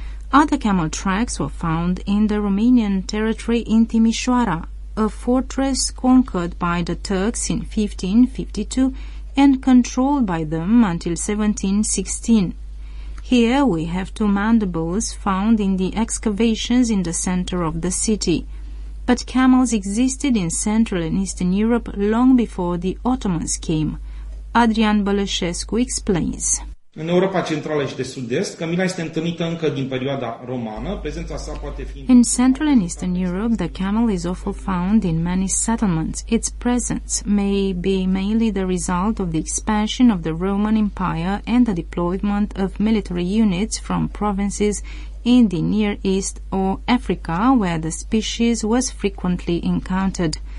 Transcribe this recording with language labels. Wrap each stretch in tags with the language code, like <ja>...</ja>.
<en>Other camel tracks were found in the Romanian territory in Timișoara, a fortress conquered by the Turks in 1552 and controlled by them until 1716. Here we have two mandibles found in the excavations in the center of the city. But camels existed in Central and Eastern Europe long before the Ottomans came. Adrian Bălășescu explains.</en> <ro>În Europa centrală și de sud-est, camila este întâlnită încă din perioada romană. Prezența sa poate fi</ro> <en>in Central and Eastern Europe, the camel is often found in many settlements. Its presence may be mainly the result of the expansion of the Roman Empire and the deployment of military units from provinces in the Near East or Africa, where the species was frequently encountered.</en>